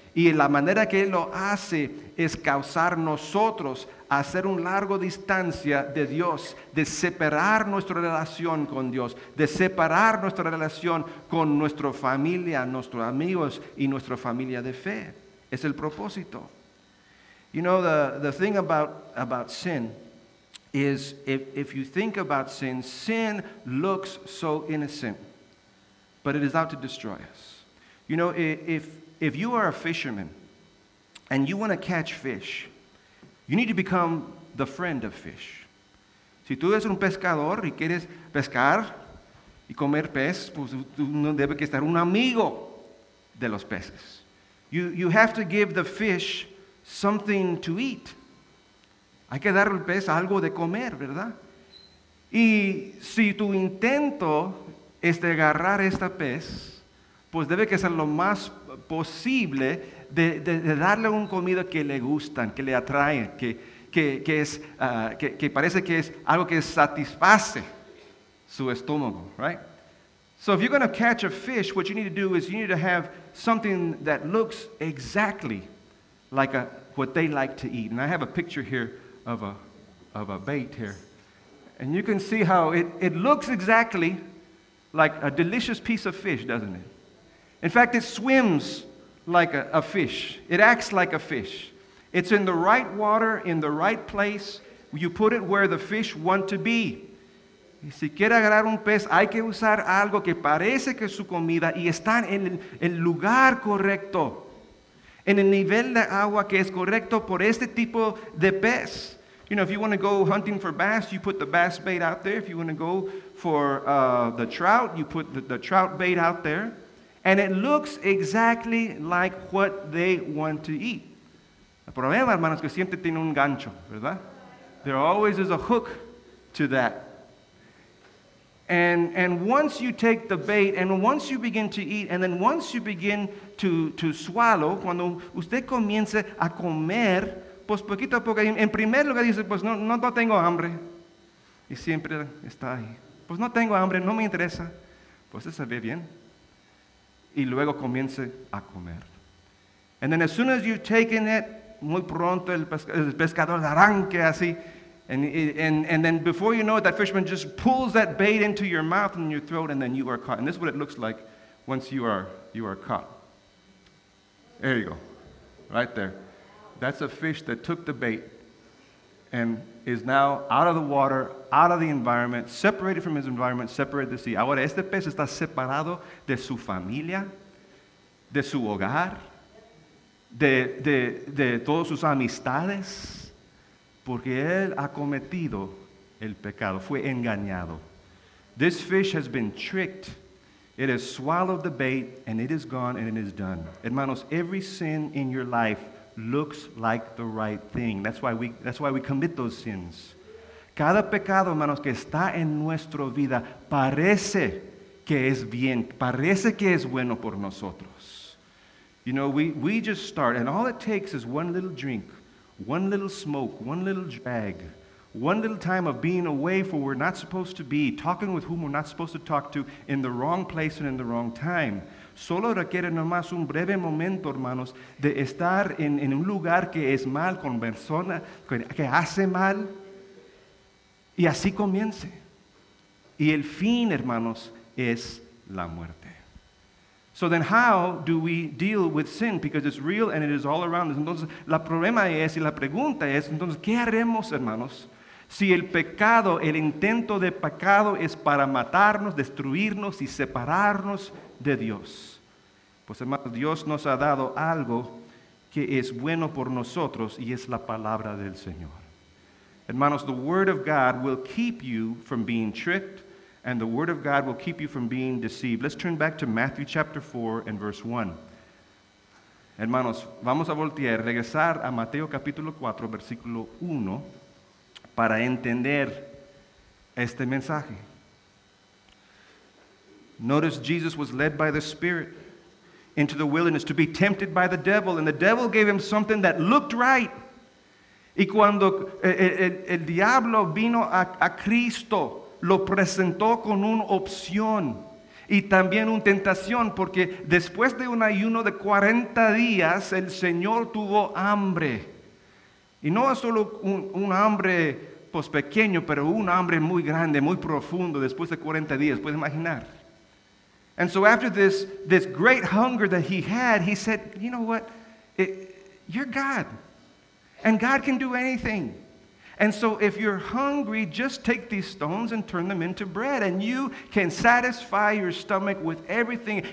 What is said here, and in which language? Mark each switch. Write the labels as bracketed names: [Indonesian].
[Spanish] Y la manera que él lo hace es causar nosotros a hacer un largo distancia de Dios, de separar nuestra relación con Dios, de separar nuestra relación con nuestra familia, nuestros amigos y nuestra familia de fe. Es el propósito. [English] You know, the thing about sin is if you think about sin, sin looks so innocent, but it is out to destroy us. You know, if you are a fisherman and you want to catch fish, you need to become the friend of fish. [Spanish] Si tú eres un pescador y quieres pescar y comer pez, pues tú no debes que estar un amigo de los peces. [English] You have to give the fish something to eat. [Spanish] Hay que darle al pez algo de comer, ¿verdad? Y si tu intento es de agarrar esta pez, pues debe que ser lo más posible de darle un comida que le gustan, que le atraen, que parece que es algo que satisface su estómago, [English] right? So if you're going to catch a fish, what you need to do is you need to have something that looks exactly like what they like to eat. And I have a picture here of a bait here. And you can see how it looks exactly like a delicious piece of fish, doesn't it? In fact, it swims like a fish. It acts like a fish. It's in the right water, in the right place. You put it where the fish want to be. [Spanish] Y si quiere agarrar un pez, hay que usar algo que parece que es su comida y está en el lugar correcto. En el nivel de agua que es correcto por este tipo de pez. [English] You know, if you want to go hunting for bass, you put the bass bait out there. If you want to go for the trout, you put the trout bait out there. And it looks exactly like what they want to eat. [Spanish] El problema, hermanos, que siempre tiene un gancho, ¿verdad? [English] There always is a hook to that. And once you take the bait, and once you begin to eat, and then once you begin to swallow, [Spanish] cuando usted comienza a comer, pues poquito a poco, en primer lugar dice, pues no tengo hambre. Y siempre está ahí. Pues no tengo hambre, no me interesa. Pues se ve bien. Y luego comience a comer. [English] And then as soon as you've taken it, [Spanish] muy pronto el pescador arranque así. [English] And then before you know it, that fisherman just pulls that bait into your mouth and your throat, and then you are caught. And this is what it looks like once you are caught. There you go. Right there. That's a fish that took the bait and is now out of the water, out of the environment, separated from his environment, separated the sea. [Spanish] Ahora, este pez está separado de su familia, de su hogar, de todos sus amistades, porque él ha cometido el pecado, fue engañado. [English] This fish has been tricked. It has swallowed the bait, and it is gone, and it is done. Hermanos, every sin in your life looks like the right thing. That's why we commit those sins. [Spanish] Cada pecado, hermanos, que está en nuestra vida, parece que es bien, parece que es bueno por nosotros. [English] You know, we just start, and all it takes is one little drink, one little smoke, one little drag, one little time of being away from where we're not supposed to be, talking with whom we're not supposed to talk to, in the wrong place and in the wrong time. [Spanish] Solo requiere nomás un breve momento, hermanos, de estar en un lugar que es mal, con persona que hace mal, y así comience. Y el fin, hermanos, es la muerte. [English] So then how do we deal with sin? Because it's real and it is all around us. [Spanish] Entonces, la problema es, y la pregunta es, entonces, ¿qué haremos, hermanos? Si el pecado, el intento de pecado es para matarnos, destruirnos y separarnos de Dios. Pues hermanos, Dios nos ha dado algo que es bueno por nosotros y es la palabra del Señor. [English] Hermanos, the word of God will keep you from being tricked, and the word of God will keep you from being deceived. Let's turn back to Matthew chapter 4 and verse 1. [Spanish] Hermanos, vamos a voltear, regresar a Mateo capítulo 4, versículo 1. Para entender este mensaje. [English] Notice Jesus was led by the Spirit into the wilderness to be tempted by the devil. And the devil gave him something that looked right. [Spanish] Y cuando el diablo vino a Cristo, lo presentó con una opción y también una tentación. Porque después de un ayuno de 40 días, el Señor tuvo hambre. Y no es solo un hambre pues pequeño, pero un hambre muy grande, muy profundo, después de 40 días, puedes imaginar. [English] And so after this great hunger that he had, he said, you know what, you're God, and God can do anything. And so if you're hungry, just take these stones and turn them into bread, and you can satisfy your stomach with everything.